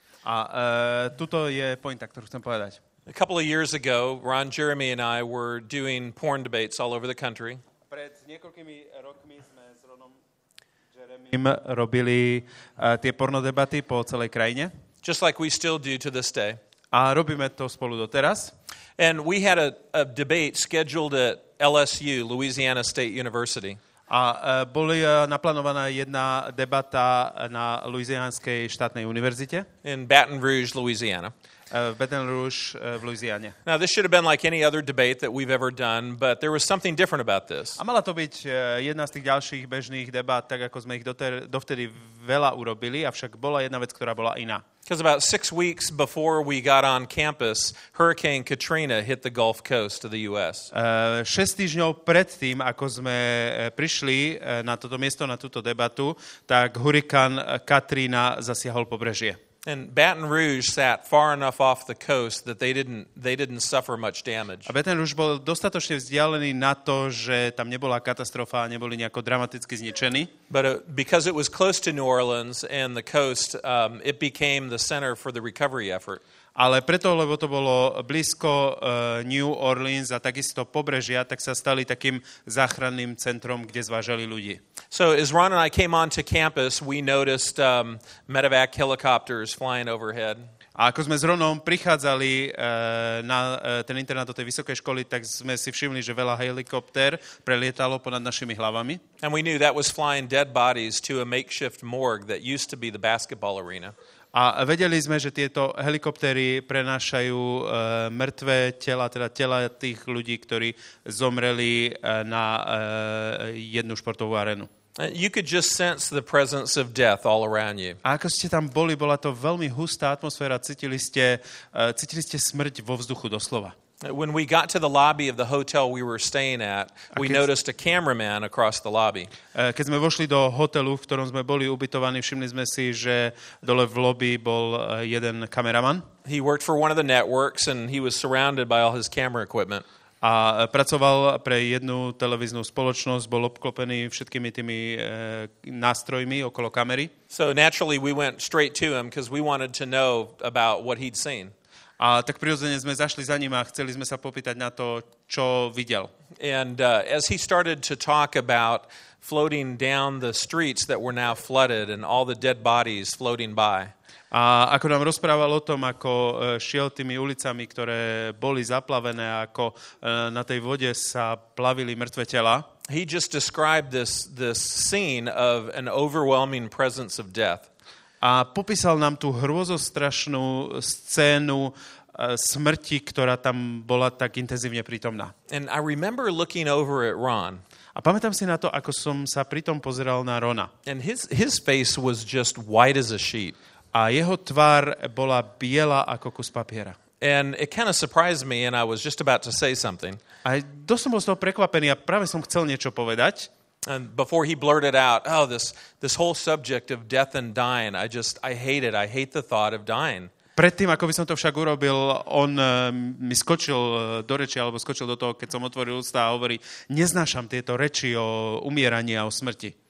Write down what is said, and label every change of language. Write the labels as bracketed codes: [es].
[sk] A tuto je pointa, ktorú chcem povedať. [en] A couple of years ago, Ron Jeremy and I were doing porn debates all over the country. [sk] Pred niekoľkými rokmi sme s Ronom Jeremym robili tie pornodebaty po celej krajine. [en] Just like we still do to this day. [sk] A robíme to spolu doteraz. [en] And we had a debate scheduled at LSU, Louisiana State University. [sk] A boli naplánovaná jedna debata na Louisianskej štátnej univerzite. [en] In Baton Rouge, Louisiana. [sk] V Louisiane. [en] Now, this should have been like any other debate that we've ever done, but there was something different about this. [sk] A mala to byť jedna z tých ďalších bežných debat, tak ako sme ich dovtedy veľa urobili, avšak bola jedna vec, ktorá bola iná. [en] Because about 6 weeks before we got on campus, Hurricane Katrina hit the Gulf Coast of the U.S. [sk] 6 týždňov predtým, ako sme prišli na toto miesto, na túto debatu, tak hurikán Katrina zasiahol pobrežie. [en] And Baton Rouge sat far enough off the coast that they didn't suffer much damage. [sk] A Baton Rouge bol dostatočne vzdialený na to, že tam nebola katastrofa a neboli nejako dramaticky zničení. [en] But because it was close to New Orleans and the coast, it became the center for the recovery effort. [sk] Ale preto, lebo to bolo blízko New Orleans a takisto pobrežia, tak sa stali takým záchranným centrom, kde zvážali ľudí. [en] So as Ron and I came onto campus, we noticed medevac helicopters flying overhead. [sk] A ako sme s Ronom prichádzali na ten internát do tej vysokej školy, tak sme si všimli, že veľa helikopter prelietalo ponad našimi hlavami. [en] And we knew that was flying dead bodies to a makeshift morgue that used to be the basketball arena. [sk] A vedeli sme, že tieto helikoptéry prenášajú mŕtve tela, teda tela tých ľudí, ktorí zomreli na jednu športovú arenu. [en] You could just sense the presence of death all around you. [sk] A ako ste tam boli, bola to veľmi hustá atmosféra, cítili ste smrť vo vzduchu doslova. [en] When we got to the lobby of the hotel we were staying at, we noticed a cameraman across the lobby. [sk] Keď sme vošli do hotelu, v ktorom sme boli ubytovaní, všimli sme si, že dole v lobby bol jeden kameraman. [en] He worked for one of the networks and he was surrounded by all his camera equipment. [sk] a pracoval pre jednu televíznu spoločnosť, bol obklopený všetkými tými nástrojmi okolo kamery. [en] So naturally we went straight to him because we wanted to know about what he'd seen. [sk] A tak prirodzene sme zašli za ním a chceli sme sa popýtať na to, čo videl. [en] And as he started to talk about floating down the streets that were now flooded and all the dead bodies floating by. [sk] A ako nám rozprával o tom, ako šiel tými ulicami, ktoré boli zaplavené, ako na tej vode sa plavili mŕtve tela. [en] He just described this scene of an overwhelming presence of death. [sk] A popísal nám tú hrôzostrašnú scénu smrti, ktorá tam bola tak intenzívne prítomná. [en] And I remember looking over at Ron. [sk] A pamätám si na to, ako som sa pritom pozeral na Rona. [en] And his face was just white as a sheet. [sk] A jeho tvár bola biela ako kus papiera. [en] And it kind of surprised me and I was just about to say something. [sk] A dosť som bol z toho prekvapený a práve som chcel niečo povedať. [en] And before he blurted out, oh, this whole subject of death and dying, I hate it. I hate the thought of dying. [sk] Predtým, ako by som to však urobil, on mi skočil do reči, alebo skočil do toho, keď som otvoril ústa a hovorí, neznášam tieto reči o umieraní a o smrti.